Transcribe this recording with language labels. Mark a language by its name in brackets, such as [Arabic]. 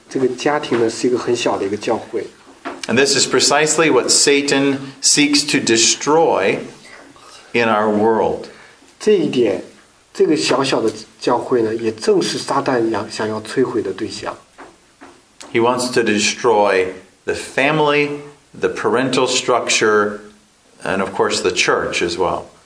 [Chinese] 我们在以前也听到过这样的想法，就是父亲是在一家是主，这个家庭呢是一个很小的一个教会。 [English] And this is precisely what Satan seeks to destroy in our world. [Chinese] 这一点，这个小小的教会呢，也正是撒旦想要摧毁的对象。 [English] He wants to destroy the family, the parental structure, and of course the church as well.